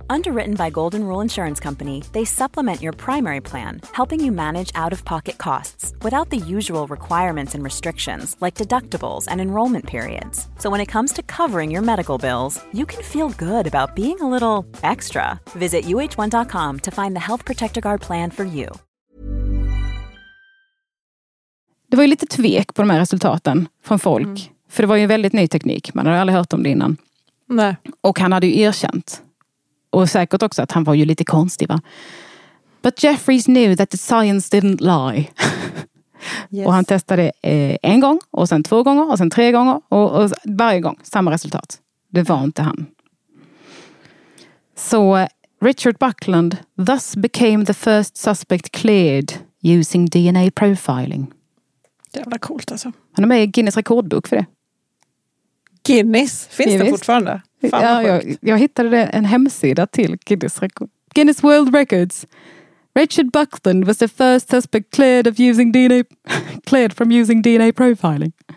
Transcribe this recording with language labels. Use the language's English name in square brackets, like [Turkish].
[English] Underwritten by Golden Rule Insurance Company, they supplement your primary plan, helping you manage out-of-pocket costs without the usual requirements and restrictions like deductibles and enrollment periods. So when it comes to covering your medical bills, you can feel good about being a little extra. Visit uh1.com to find the Health Protector Guard plan for you. [Swedish] Det var ju lite tvek på de här resultaten från folk. Mm. För det var ju en väldigt ny teknik. Man hade aldrig hört om det innan. Nej. Och han hade ju erkänt. Och säkert också att han var ju lite konstig, va? [English] But Jeffries knew that the science didn't lie. Yes. [Swedish] Och han testade en gång, och sen två gånger, och sen tre gånger. Och varje gång, samma resultat. Det var inte han. [English] Så Richard Buckland thus became the first suspect cleared using DNA profiling. [Swedish] Jävla coolt alltså. Han är med i Guinness rekordbok för det. Guinness? Finns det fortfarande? Ja, jag hittade det, en hemsida till Guinness, Guinness World Records. [English] Richard Buckland was the first suspect cleared of using DNA cleared from using DNA profiling.